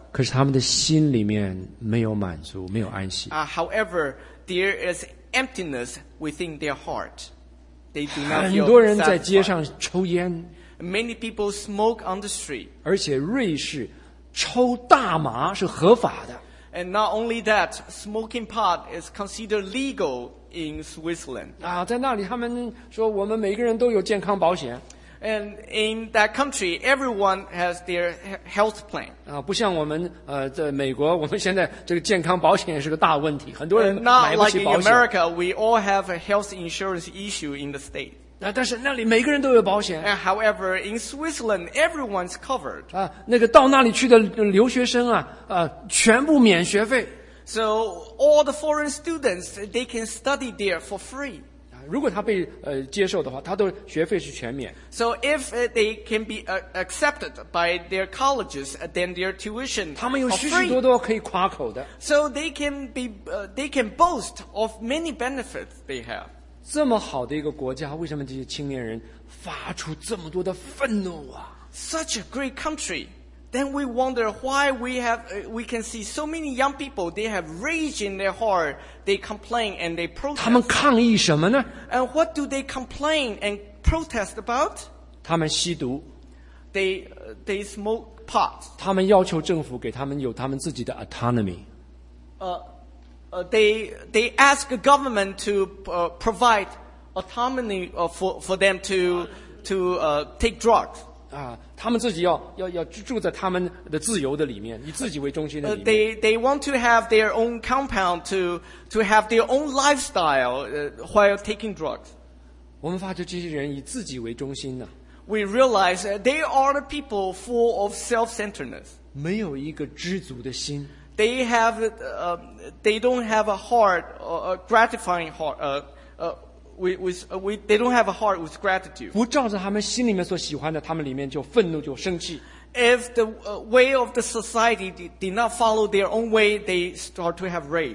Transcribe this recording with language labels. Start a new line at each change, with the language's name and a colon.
Chinese: 可是他们的心里面没有满足，没有安息。
English: However, there is emptiness within their heart. They do not feel satisfied.
Chinese: 很多人在街上抽烟。
English: Many people smoke on the street.
Chinese: 而且瑞士。抽大麻是合法的。
English: And not only that, smoking pot is considered legal in Switzerland.
Chinese: 啊，在那里他们说我们每个人都有健康保险。
English: And in that country, everyone has their health plan.
Chinese: 啊，不像我们在美国，我们现在这个健康保险是个大问题，很多人买不起保险。
English: Not like in America, we all have a health insurance issue in the state.
Chinese: 啊，但是那里每个人都有保险。
English: And however, in Switzerland, everyone's covered.
Chinese: 啊，那个到那里去的留学生啊，全部免学费。
English: So all the foreign students, they can study there for free.
Chinese: 啊，如果他被接受的话，他的学费是全免。
English: So if they can be accepted by their colleges, then their tuition.
Chinese: 他们有许许多多可以夸口的。
English: So they can boast of many benefits they have.
Chinese: 这么好的一个国家，为什么这些青年人发出这么多的愤怒啊？
English: Such a great country, then we wonder why we can see so many young people. They have rage in their heart. They complain and they protest.
Chinese: 他们抗议什么呢？
English: And what do they complain and protest about?
Chinese: 他们吸毒。
English: They smoke pot.
Chinese: 他们要求政府给他们有他们自己的 autonomy.
English: They ask the government to provide autonomy for them to take drugs.
Chinese: 啊，他们自己要住在他们的自由的里面，以自己为中心的里面。
English: They want to have their own compound to have their own lifestyle while taking drugs.
Chinese: 我们发觉这些人以自己为中心呢。
English: We realize they are the people full of self-centeredness.
Chinese: 没有一个知足的心。
English: They have, they don't have a heart, a gratifying heart. They don't have a heart with gratitude.
Chinese: 不照着他们心里面所喜欢的，他们里面就愤怒，就生气。
English: If the way of the society did not follow their own way, they start to have rage.